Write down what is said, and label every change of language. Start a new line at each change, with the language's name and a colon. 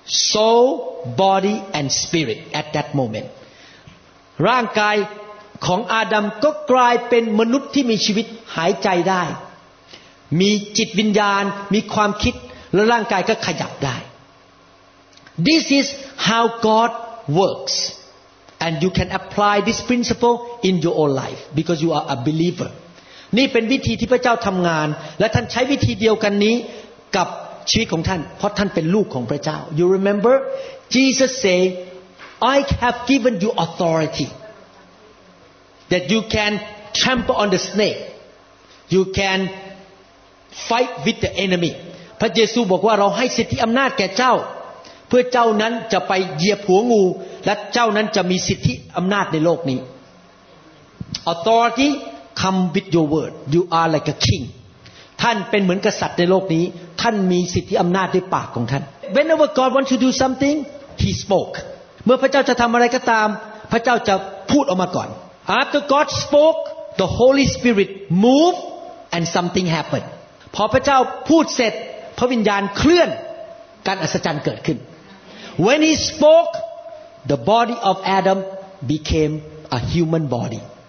English: soul body and spirit at that moment
Thai: ร่างกายของอาดัมก็กลายเป็นมนุษย์ที่มีชีวิตหายใจได้มีจิตวิญญาณมีความคิดและร่างกายก็ขยับได้
English: This is how God works. And you can apply this principle in your own life because you are a believer.
Thai: นี่เป็นวิธีที่พระเจ้าทำงานและท่านใช้วิธีเดียวกันนี้กับชีวิตของท่านเพราะท่านเป็นลูกของพระเจ้า
English: You remember? Jesus say, I have given you authority that you can trample on the snake. You can fight with the enemy.
Thai: พระเยซูบอกว่าเราให้สิทธิอำนาจแก่เจ้าเพื่อเจ้านั้นจะไปเหยียบหัวงูและเจ้านั้นจะมีสิทธิอำนาจในโลกนี้
English: Authority come with your word you are like a king
Thai: ท่านเป็นเหมือนกษัตริย์ในโลกนี้ท่านมีสิทธิอำนาจด้วยปากของท่าน
English: Whenever God wants to do something he spoke
Thai: เมื่อพระเจ้าจะทำอะไรก็ตามพระเจ้าจะพูดออกมาก่อน
English: After God spoke the Holy Spirit moved and something happened
Thai: พอพระเจ้าพูดเสร็จพระวิญญาณเคลื่อนการอัศจรรย์เกิดขึ้น
English: When he spoke, the body of Adam became a human body.